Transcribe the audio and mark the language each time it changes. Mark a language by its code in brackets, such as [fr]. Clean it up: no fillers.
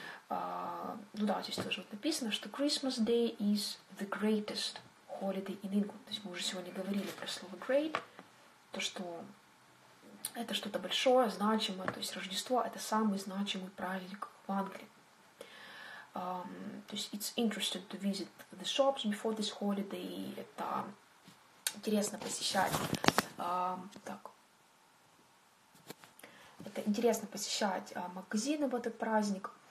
[ru] Ну да, здесь тоже вот написано, что [en] Christmas Day is the greatest holiday in England. [ru] То есть мы уже сегодня говорили про слово great, то, что это что-то большое, значимое. То есть Рождество — это самый значимый праздник в Англии. То есть [en] it's interesting to visit the shops before this holiday. [ru] Это интересно посещать. Это интересно посещать магазины в этот праздник.